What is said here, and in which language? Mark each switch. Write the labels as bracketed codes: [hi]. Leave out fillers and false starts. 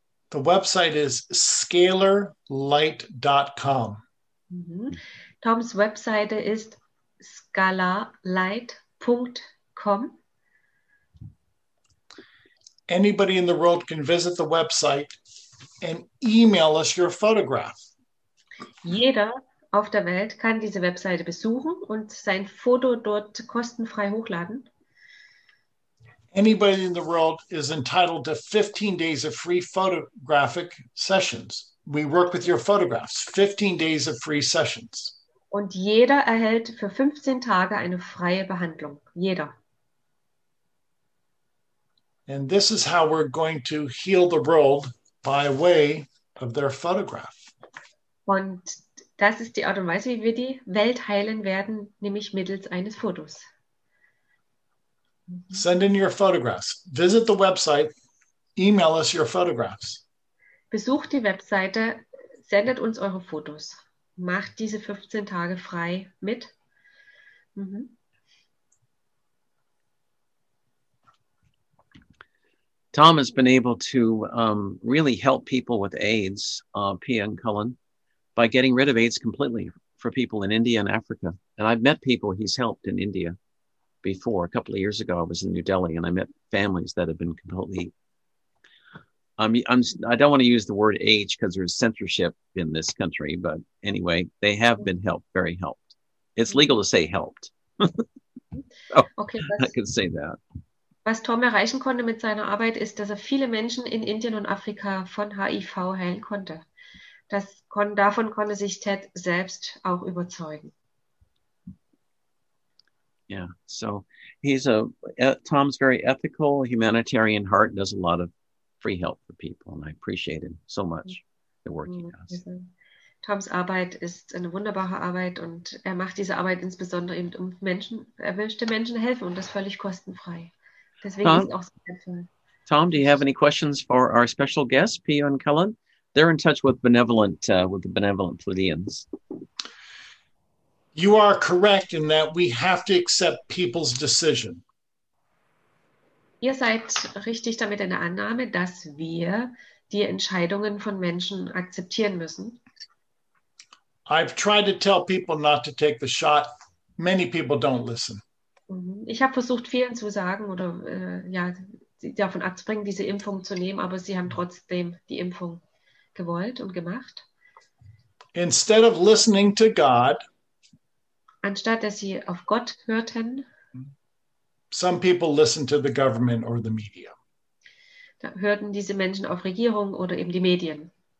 [en] The website is scalarlight.com. [de] Toms Webseite ist scalarlight.com. [en] Anybody in the world can visit the website and email us your photograph. [de] Jeder auf der Welt kann diese Webseite besuchen und sein Foto dort kostenfrei hochladen. [en] Anybody in the world is entitled to 15 days of free photographic sessions. We work with your photographs. 15 days of free sessions. [de] Und jeder erhält für 15 Tage eine freie Behandlung. Jeder. [en] And this is how we're going to heal the world by way of their photograph. [de] Und das ist die Art und Weise, wie wir die Welt heilen werden, nämlich mittels eines Fotos. [en] Send in your photographs. Visit the website. Email us your photographs. [de] Besucht die Webseite. Sendet uns eure Fotos. Macht diese 15 Tage frei mit. [en] Tom has been able to really help people with AIDS, Pia and Cullen, by getting rid of AIDS completely for people in India and Africa. And I've met people he's helped in India before. A couple of years ago, I was in New Delhi and I met families that have been completely, I don't want to use the word age because there's censorship in this country, but anyway, they have been helped, very helped. It's legal to say helped. I can say that. [de] Was Tom erreichen konnte mit seiner Arbeit ist, dass er viele Menschen in Indien und Afrika von HIV heilen konnte. Davon konnte sich Ted selbst auch überzeugen. [en] Yeah, so he's Tom's very ethical, humanitarian heart, does a lot of free help for people, and I appreciate him so much, the work he does. [de] Toms Arbeit ist eine wunderbare Arbeit und er macht diese Arbeit insbesondere eben um Menschen, er möchte Menschen helfen und das völlig kostenfrei. [en] Tom, do you have any questions for our special guests, Pia and Cullen? They're in touch with the benevolent Pleiadians. You are correct in that we have to accept people's decision. [de] Ihr seid richtig damit in der Annahme, dass wir die Entscheidungen von Menschen akzeptieren müssen. [en] I've tried to tell people not to take the shot. Many people don't listen. [de] Ich habe versucht, vielen zu sagen oder davon abzubringen, diese Impfung zu nehmen, aber sie haben trotzdem die Impfung gewollt und gemacht. [en] Instead of listening to God, [de] anstatt dass sie auf Gott hörten, [en] some people listen to the government or the media. [de] Da hörten diese Menschen auf Regierung oder eben die Medien.